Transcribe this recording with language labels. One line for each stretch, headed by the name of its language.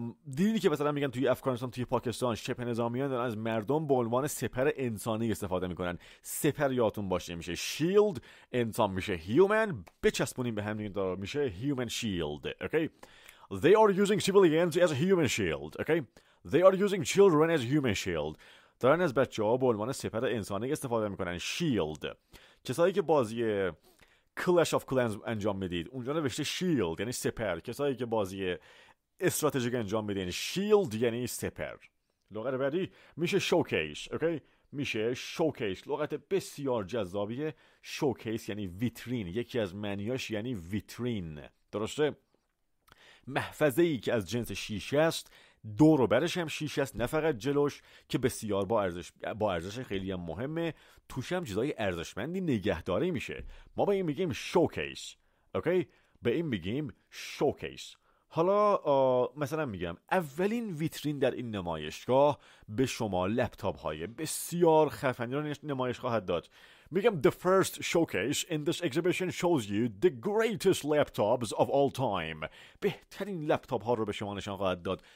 Persian: دیدی که مثلا میگن توی افغانستان، توی پاکستان شبه نظامیان دارن از مردم به عنوان سپر انسانی استفاده میکنن. سپر یادتون باشه میشه shield، انسان میشه human. بچسبونیم به هم دیگه دارا میشه human shield.
English: Okay, they are using civilians as a human shield. Okay, they are using children as human shield.
Persian: دارن از بچه ها به عنوان سپر انسانی استفاده میکنن.
English: Shield.
Persian: کسایی که بازی Clash of Clans انجام میدید اونجا نوشته shield یعنی سپر. کسایی که بازی استراتژیک انجام بدین. شیلد یعنی سپر. لغت بعدی میشه شوکیش. اوکی میشه شوکیش، لغت بسیار جذابیه. شوکیس یعنی ویترین، یکی از معنیاش یعنی ویترین، درسته؟ محفظه ای که از جنس شیشه است، دور و برش هم شیشه است، نه فقط جلوش، که بسیار با ارزش خیلی هم مهمه، توش هم چیزای ارزشمندی نگهداری میشه. ما به این میگیم شوکیس. اوکی به این میگیم شوکیس. حالا مثلا میگم اولین ویترین در این نمایشگاه به شما لپتاپ های بسیار خفنی رو نمایش خواهد داد. میگم
English: the first showcase in this exhibition shows you the greatest laptops of all time.
Persian: بهترین لپتاپ ها رو به شما نشان خواهد داد.